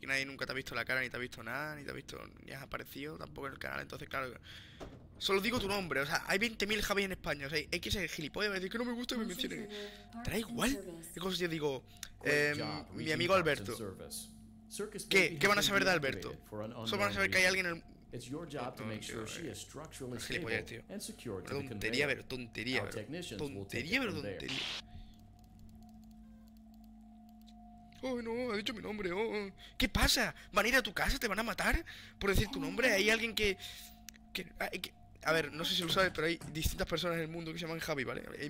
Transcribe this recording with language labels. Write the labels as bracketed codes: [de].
[es] y nadie nunca te ha visto la cara, ni te ha visto nada, ni te ha visto, ni has aparecido tampoco en el canal. Entonces, claro, solo digo tu nombre. O sea, hay 20.000 Javi en España. O sea, hay que ser gilipollas, decir que no me gusta que me mencionen. ¿Te da igual? Es como si yo digo, mi amigo Alberto. ¿Qué? ¿Qué van a saber de Alberto? Solo van a saber que hay alguien en el... [en] It's your job to make sure she is structurally stable and secure to the conveyor. [es] Tontería, pero tontería, pero tontería, pero tontería. Oh, no, ha dicho mi nombre. Oh, ¿qué pasa? ¿Van a ir a tu casa? ¿Te van a matar por decir tu nombre? Hay alguien que a ver, no sé si lo sabes, pero hay distintas personas en el mundo que se llaman Javi, ¿vale?